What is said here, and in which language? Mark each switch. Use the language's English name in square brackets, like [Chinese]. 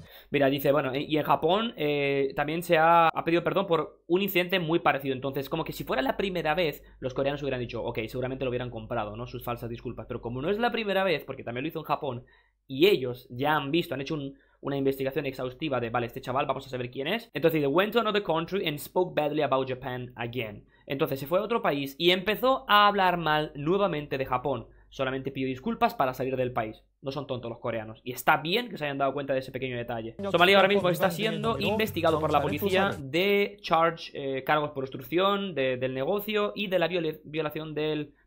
[Spanish] Mira, dice, bueno, y en Japón también se ha pedido perdón por un incidente muy parecido. Entonces, como que si fuera la primera vez, los coreanos hubieran dicho, ok, seguramente lo hubieran comprado, ¿no? Sus falsas disculpas. Pero como no es la primera vez, porque también lo hizo en Japón, y ellos ya han visto, han hecho una investigación exhaustiva de, vale, este chaval, vamos a saber quién es. Entonces, dice, [English] went to another country and spoke badly about Japan again. [Spanish] Entonces, se fue a otro país y empezó a hablar mal nuevamente de Japón. Solamente pidió disculpas para salir del país. No son tontos los coreanos. Y está bien que se hayan dado cuenta de ese pequeño detalle. Somalia ahora mismo está siendo investigado por la policía de charge, cargos por obstrucción del negocio y de la violación del...